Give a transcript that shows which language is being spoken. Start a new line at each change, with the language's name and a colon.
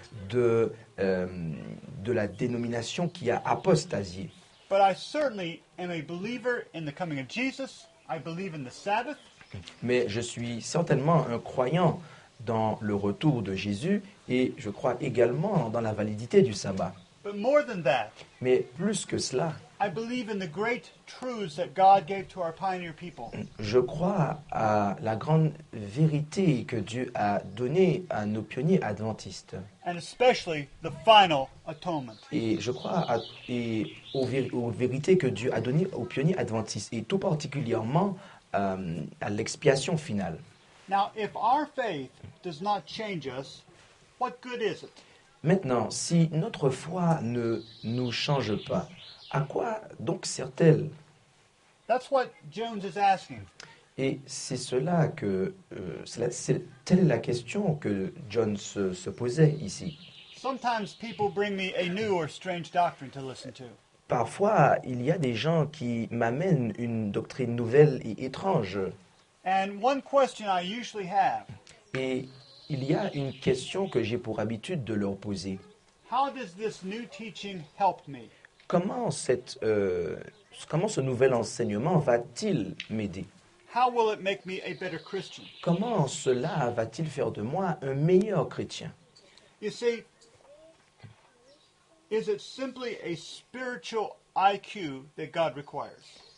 French: Je ne fais moi-même pas partie de la dénomination qui a apostasié.
English: But I certainly am a believer in the coming of Jesus. I believe in the Sabbath.
French: Mais je suis certainement un croyant dans le retour de Jésus et je crois également dans la validité du sabbat.
English: But more than that,
French: mais plus que cela,
English: I believe in the great truths that God gave to our pioneer people.
French: Je crois à la grande vérité que Dieu a donnée à nos pionniers adventistes.
English: And especially the final atonement.
French: Et je crois à, et aux, aux vérités que Dieu a données aux pionniers adventistes, et tout particulièrement à l'expiation finale.
English: Now, if our faith does not change us, what good is it?
French: Maintenant, si notre foi ne nous change pas, à quoi donc sert-elle?
English: That's what Jones is asking.
French: Et c'est cela que c'est telle la question que Jones se posait ici.
English: Sometimes people bring me a new or strange doctrine to listen to.
French: Parfois, il y a des gens qui m'amènent une doctrine nouvelle et étrange.
English: And one question I usually have.
French: Et il y a une question que j'ai pour habitude de leur poser.
English: How does this new teaching help me?
French: Comment ce nouvel enseignement va-t-il m'aider?
English: How will it make me a better Christian?
French: Comment cela va-t-il faire de moi un meilleur chrétien?
English: You see, is it simply a spiritual IQ that God requires?